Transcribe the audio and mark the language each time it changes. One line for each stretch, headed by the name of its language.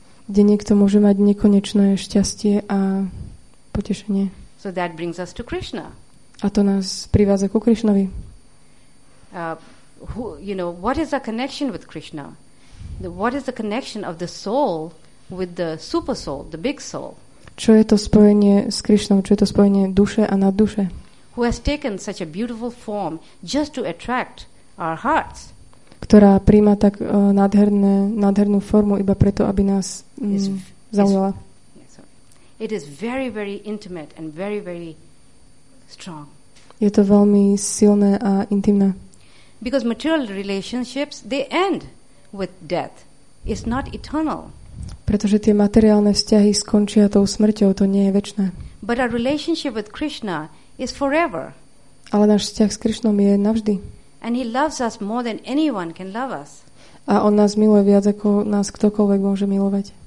Slovak: Kde niekto môže mať nekonečné šťastie a potešenie.
English: So that brings us to Krishna.
Slovak: A to nás privádza ku Krishnovi.
English: You know, what is the connection with Krishna? What is the connection of the soul with the super soul, the big soul?
Slovak: Čo je to spojenie s Krishnou? Čo je to spojenie duše a nadduše?
English: Who has taken such a beautiful form just to attract our hearts?
Slovak: Ktorá prijíma tak nádhernú formu iba preto, aby nás zaujala.
English: It is very, very intimate and very, very strong.
Slovak: Je to veľmi silné a intimné.
English: Because material relationships, they end with death. It's not eternal.
Slovak: Pretože tie materiálne vzťahy skončia tou smrťou, to nie je večné.
English: But our relationship with Krishna is forever.
Slovak: Ale náš vzťah s Krishnom je navždy.
English: And he loves us more than anyone can love us.
Slovak: A on nás miluje viac, ako nás ktokoľvek môže milovať.